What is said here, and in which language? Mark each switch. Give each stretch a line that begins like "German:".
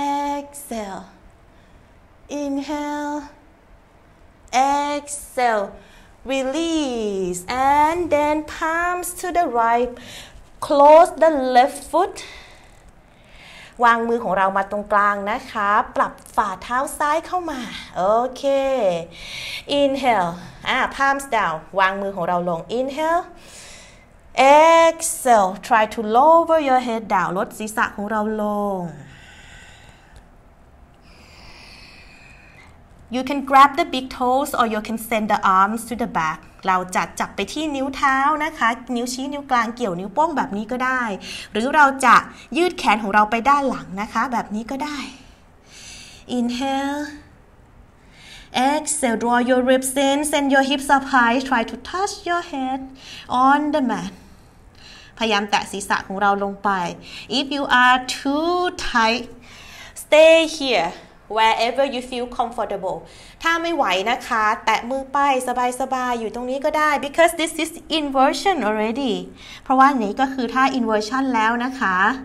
English: Exhale Inhale Exhale Release And then palms to the rightclose the left foot
Thai: วางมือของเรามาตรงกลางนะคะปรับฝ่าเท้าซ้ายเข้ามาโอเค
English: inhale palms down
Thai: วางมือของเราลง
English: inhale exhale try to lower your head down
Thai: ลดศีรษะของเราลง
English: You can grab the big toes or you can send the arms to the back.
Thai: เราจะจับไปที่นิ้วเท้านะคะนิ้วชี้นิ้วกลางเกี่ยวนิ้วโป้งแบบนี้ก็ได้หรือเราจะยืดแขนของเราไปด้านหลังนะคะแบบนี้ก็ได้ Inhale
English: Exhale draw your ribs in send your hips up high try to touch your head on the mat
Thai: พยายามแตะศีรษะของเราลงไป
English: If you are too tight stay here wherever you feel comfortable
Thai: ถ้าไม่ไหวนะคะแตะมือไปสบายๆอยู่ตรงนี้ก็ได้
English: because this is inversion already
Thai: เพราะว่านี้ก็คือท่า inversion แล้วนะคะ